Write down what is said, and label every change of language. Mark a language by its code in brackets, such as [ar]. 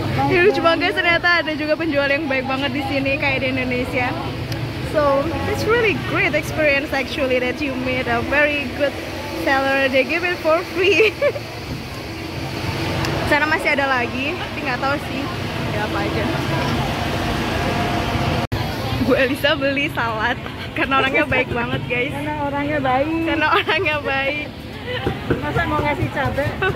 [id] Ini lucu banget, ternyata ada juga penjual yang baik banget di sini kayak di Indonesia. [en] So it's really great experience actually that you meet a very good seller. They give it for free. [id] Sana masih ada lagi, tapi nggak tahu sih. Ya apa aja. Bu Elisa beli salad karena orangnya baik banget guys. Karena orangnya baik. Masa mau ngasih cabai?